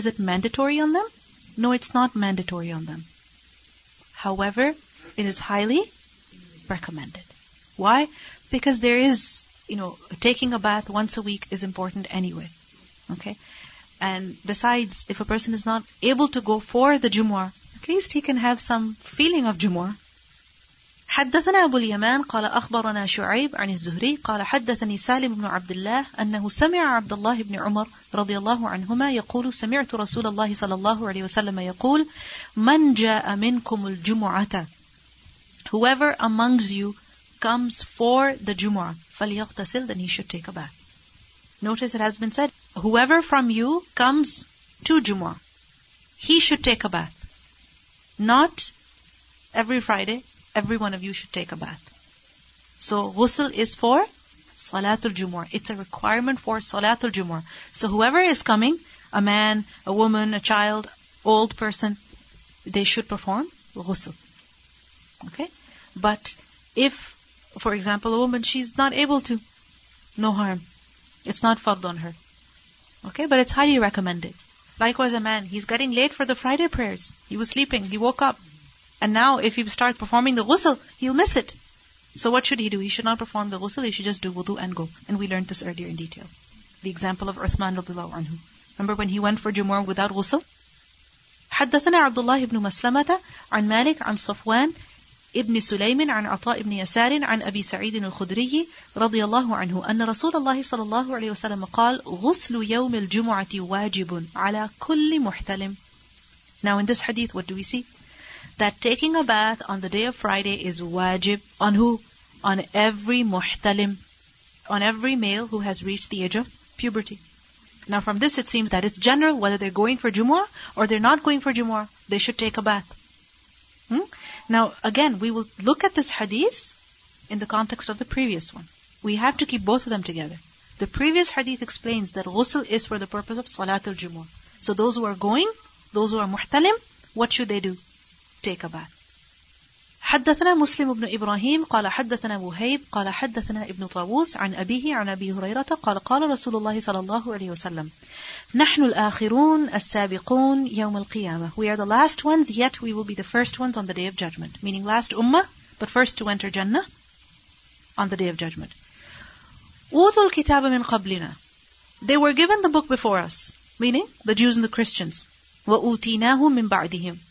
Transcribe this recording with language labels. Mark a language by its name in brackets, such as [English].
[English] Is it mandatory on them? No, it's not mandatory on them. However, it is highly recommended. Why? Because there is, you know, taking a bath once a week is important anyway. Okay? And besides, if a person is not able to go for the Jumu'ah, at least he can have some feeling of Jumu'ah. [Arabic] حدثنا أبو اليمان قال أخبرنا شعيب عن الزهري قال حدثني سالم بن عبد الله أنه سمع عبد الله بن عمر رضي الله عنهما يقول سمعت رسول الله صلى الله عليه وسلم يقول من جاء منكم الجمعة [English] whoever amongst you comes for the جمعة [Arabic] فليغتسل [English] then he should take a bath. Notice it has been said whoever from you comes to جمعة he should take a bath. Not every Friday every one of you should take a bath. So ghusl is for Salatul Jumu'ah. It's a requirement for Salatul Jumu'ah. So whoever is coming, a man, a woman, a child, old person, they should perform ghusl. Okay? But if, for example, a woman, she's not able to, no harm. It's not fard on her. Okay? But it's highly recommended. Likewise, a man, he's getting late for the Friday prayers. He was sleeping, he woke up. And now if he starts performing the ghusl, he'll miss it. So what should he do? He should not perform the ghusl, he should just do wudu and go. And we learned this earlier in detail. The example of Uthman radiallahu anhu. Remember when he went for Jumu'ah without ghusl? [Arabic] حدثنا عبد الله بن مسلمة عن مالك عن صفوان ابن سليم عن عطاء ابن يسار عن أبي سعيد الخدري رضي الله عنه أن رسول الله صلى الله عليه وسلم قال غسل يوم الجمعة واجب على كل محتلم. [English] Now in this hadith, what do we see? That taking a bath on the day of Friday is wajib on who? On every muhtalim. On every male who has reached the age of puberty. Now from this it seems that it's general whether they're going for Jumu'ah or they're not going for Jumu'ah. They should take a bath. Now again, we will look at this hadith in the context of the previous one. We have to keep both of them together. The previous hadith explains that ghusl is for the purpose of Salatul Jumu'ah. So those who are going, those who are muhtalim, what should they do? Take a bath. [Arabic] حدثنا مسلم بن إبراهيم قال حدثنا وهيب قال حدثنا ابن طاووس عن أبيه عن أبي هريرة قال قال رسول الله صلى الله عليه وسلم نحن الآخرون السابقون يوم القيامة. [English] We are the last ones, yet we will be the first ones on the day of judgment. Meaning last ummah, but first to enter Jannah on the day of judgment. [Arabic] أوتوا الكتاب من قبلنا. [English] They were given the book before us. Meaning the Jews and the Christians. [Arabic] وأوتيناه من بعدهم.